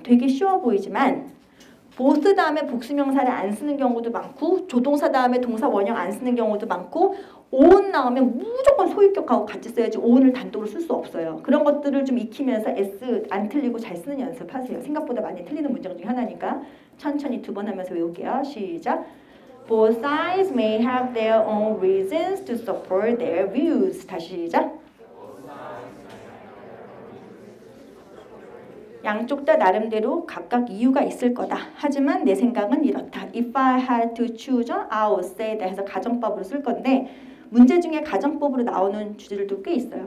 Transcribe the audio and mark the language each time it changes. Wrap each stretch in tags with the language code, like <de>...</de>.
<ko>되게 쉬워 보이지만 보스 다음에 복수명사를 안 쓰는 경우도 많고 조동사 다음에 동사 원형 안 쓰는 경우도 많고 on 나오면 무조건 소유격하고 같이 써야지 on을 단독으로 쓸 수 없어요. 그런 것들을 좀 익히면서 s 안 틀리고 잘 쓰는 연습하세요. 생각보다 많이 틀리는 문장 중에 하나니까 천천히 두 번 하면서 외울게요. 시작.</ko> <en>Both sides may have their own reasons to support their views.</en> <ko>다시 시작. 양쪽 다 나름대로 각각 이유가 있을 거다. 하지만 내 생각은 이렇다.</ko> <en>If I had to choose, I would say</en> <ko>해서 가정법으로 쓸 건데 문제 중에 가정법으로 나오는 주제들도 꽤 있어요.</ko>